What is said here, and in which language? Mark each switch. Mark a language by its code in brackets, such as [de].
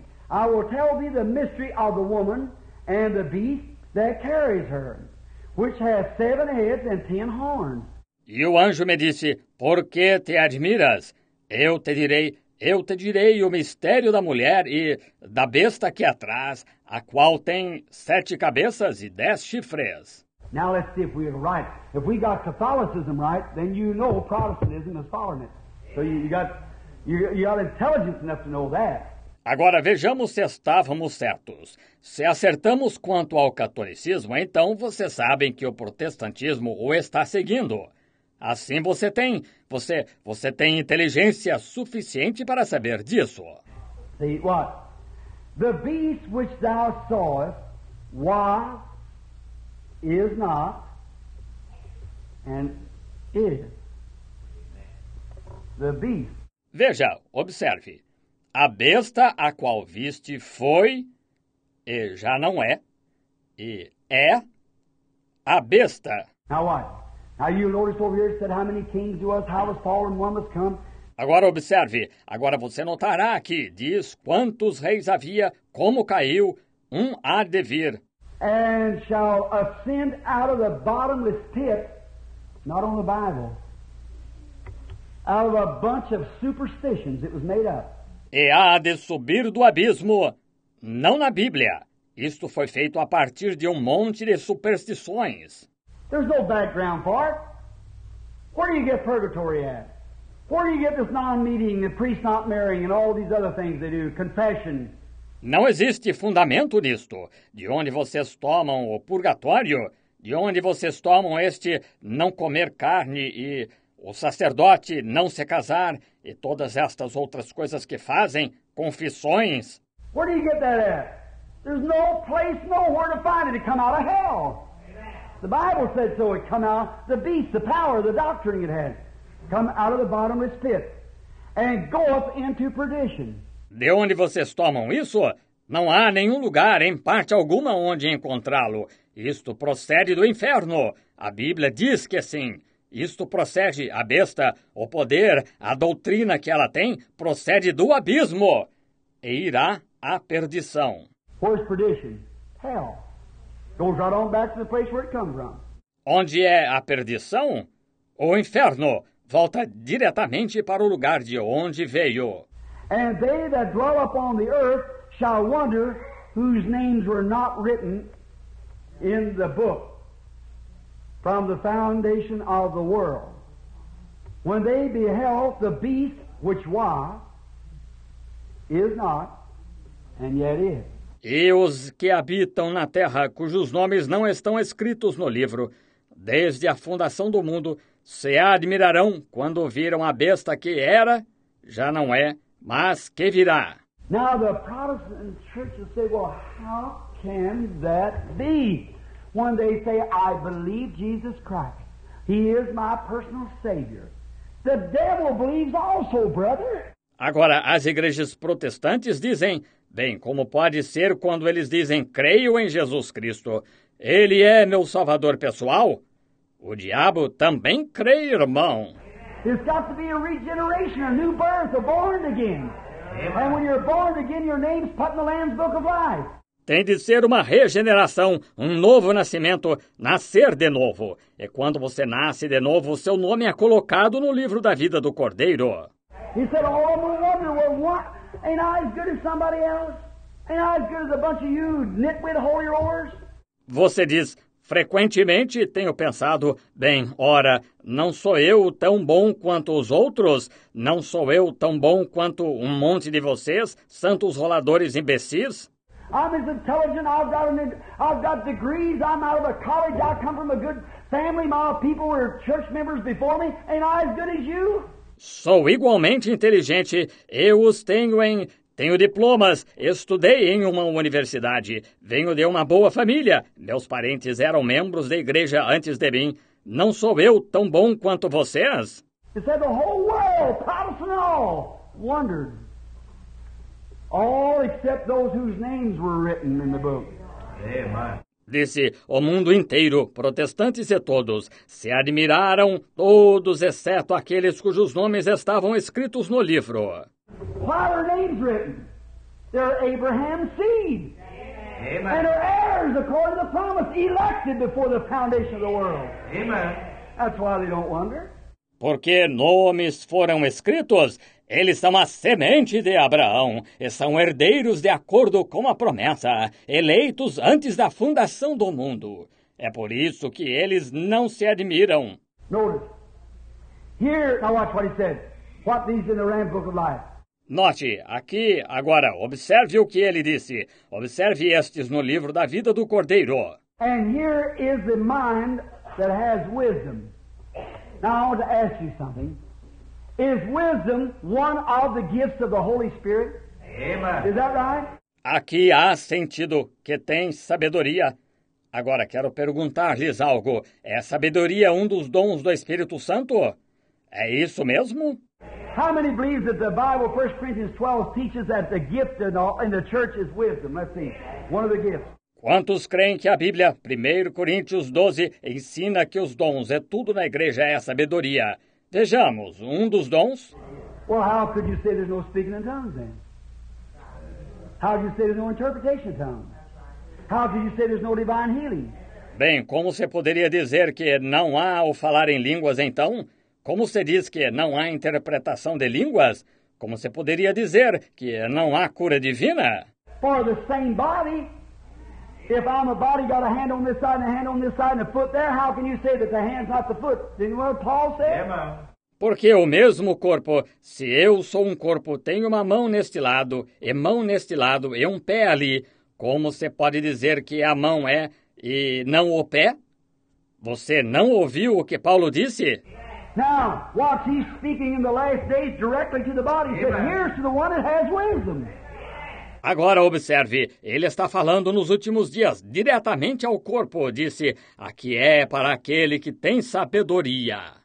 [en] I will tell thee the mystery of the woman and the beast that carries her, which has seven heads and ten horns. [pt] E o anjo me disse, por que te admiras? Eu te direi o mistério da mulher e da besta que atrás, a qual tem sete cabeças e dez chifres. [en] Now let's see if we are right. If we got Catholicism right, then you know Protestantism is following it. So you got intelligence enough to know that. [pt] Agora vejamos se estávamos certos. Se acertamos quanto ao catolicismo, então vocês sabem que o protestantismo o está seguindo. Assim você tem inteligência suficiente para saber disso. [en] See what? The beast which thou sawest was, is not, and is. The beast. [pt] Veja, observe. A besta a qual viste foi, e já não é, e é a besta. [en] Now what? Now you notice over here, it said how many kings do us, how was fallen, one was come. [pt] Agora observe, agora você notará aqui, diz quantos reis havia, como caiu, um há de vir. [en] And shall ascend out of the bottomless pit, not on the Bible, out of a bunch of superstitions it was made up. [pt] E há de subir do abismo, não na Bíblia. Isto foi feito a partir de um monte de superstições. [en] There's no background for it. Where do you get purgatory at? Where do you get this non-meeting, the priest not marrying, and all these other things they do, confession? [pt] Não existe fundamento nisto. De onde vocês tomam o purgatório? De onde vocês tomam este não comer carne e o sacerdote não se casar e todas estas outras coisas que fazem, confissões? [en] Where do you get that at? There's no place nowhere to find it to come out of hell. The Bible said so, it come out, the beast, the power, the doctrine it had. Come out of the bottomless pit and go up into perdition. [pt] De onde vocês tomam isso? Não há nenhum lugar, em parte alguma, onde encontrá-lo. Isto procede do inferno. A Bíblia diz que sim. Isto procede, a besta, o poder, a doutrina que ela tem, procede do abismo e irá à perdição. [en] Where's perdition? hell. Goes right on back to the place where it comes from. [pt] Onde é a perdição? O inferno volta diretamente para o lugar de onde veio. [en] And they that dwell upon the earth shall wonder whose names were not written in the book from the foundation of the world. When they beheld the beast which was, is not, and yet is. [pt] E os que habitam na terra, cujos nomes não estão escritos no livro, desde a fundação do mundo, se admirarão quando viram a besta que era, já não é, mas que virá. [en] Now the Protestant church will say, well, how can that be? When they say, I believe Jesus Christ, he is my personal savior. The devil believes also, brother. [pt] Agora, as igrejas protestantes dizem, bem, como pode ser quando eles dizem, creio em Jesus Cristo, ele é meu salvador pessoal? O diabo também crê, irmão. [en] It's got to be a regeneration, a new birth, a born again. And when you're born again, your name's put in the Lamb's Book of Life. [pt] Tem de ser uma regeneração, um novo nascimento, nascer de novo. E quando você nasce de novo, seu nome é colocado no livro da vida do Cordeiro. [en] He said, oh, I'm a wonder, well, what? Ain't I as good as somebody else? Ain't I as good as a bunch of you nitwit holy rollers? [pt] Você diz, frequentemente tenho pensado, bem, ora, não sou eu tão bom quanto os outros? Não sou eu tão bom quanto um monte de vocês, santos roladores imbecis? [en] I'm as intelligent, I've got degrees, I'm out of a college, I come from a good family, my people were church members before me, ain't I as good as you? [pt] Sou igualmente inteligente, eu os tenho em... Tenho diplomas, estudei em uma universidade, venho de uma boa família. Meus parentes eram membros da igreja antes de mim. Não sou eu tão bom quanto vocês? [en] He said the whole world, Protestant all, wondered. All except those whose names were written in the book. [pt] Disse, o mundo inteiro, protestantes e todos, se admiraram todos, exceto aqueles cujos nomes estavam escritos no livro. [en] Why are names written? They're Abraham's seed. Amen. And they're heirs according to the promise, elected before the foundation of the world. Amen. That's why they don't wonder. [pt] Porque nomes foram escritos, eles são a semente de Abraão, e são herdeiros de acordo com a promessa, eleitos antes da fundação do mundo. É por isso que eles não se admiram. [en] Notice. Here, now watch what he said. What these in the Lamb's Book of Life. [pt] Note, aqui, agora, observe o que ele disse. Observe estes no livro da vida do Cordeiro. [en] And here is the mind that has wisdom. Now I want to ask you something. Is wisdom one of the gifts of the Holy Spirit? Amen. Is that right? [pt] Aqui há sentido que tem sabedoria. Agora quero perguntar-lhes algo. É sabedoria um dos dons do Espírito Santo? É isso mesmo? [en] How many believe that the Bible, 1 Corinthians 12, teaches that the gift in the church is wisdom? Let's see. One of the gifts. [pt] Quantos creem que a Bíblia, 1 Coríntios 12, ensina que os dons é tudo na igreja é a sabedoria? Vejamos, um dos dons? [en] Well, how could you say there's no speaking in tongues then? How could you say there's no interpretation of tongues? How could you say there's no divine healing? [pt] Bem, como você poderia dizer que não há o falar em línguas então? Como você diz que não há interpretação de línguas? Como você poderia dizer que não há cura divina? [en] For the same body. If I'm a body, got a hand on this side, and a hand on this side, and a foot there, how can you say that the hand's not the foot? Didn't what Paul said? Amen. [pt] Porque o mesmo corpo, se eu sou um corpo, tenho uma mão neste lado, e um pé ali, como você pode dizer que a mão é e não o pé? Você não ouviu o que Paulo disse? [en] Now, watch, he's speaking in the last days directly to the body. He said, here's to the one that has wisdom. [pt] Agora observe, ele está falando nos últimos dias, diretamente ao corpo, disse, aqui é para aquele que tem sabedoria.